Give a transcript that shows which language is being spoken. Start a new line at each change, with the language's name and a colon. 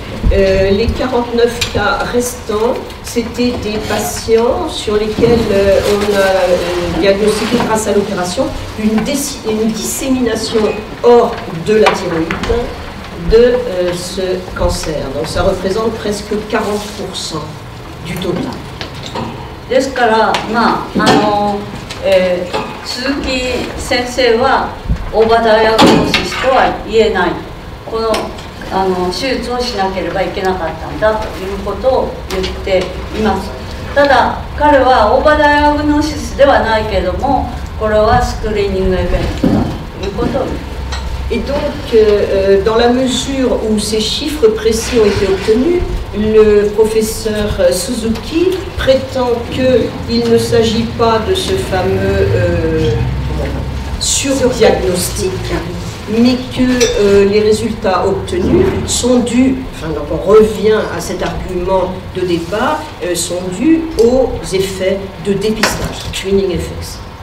French: Les 49 cas restants, c'était des patients sur lesquels on a diagnostiqué grâce à l'opération une dissémination hors de la thyroïde de ce cancer. Donc ça représente presque 40% du total.
Japanese: ですから、まあ鈴木先生はオーバーダイアグノーシスとは言えない、この、手術をしなければいけなかったんだということを言っています。ただ、彼はオーバーダイアグノーシスではないけれども、これはスクリーニングエベントだということを言っています。
French: Et donc, dans la mesure où ces chiffres précis ont été obtenus, le professeur Suzuki prétend qu'il ne s'agit pas de ce fameux surdiagnostic, mais que les résultats obtenus sont dus, enfin, donc on revient à cet argument de départ, sont dus aux effets de dépistage, screening effects.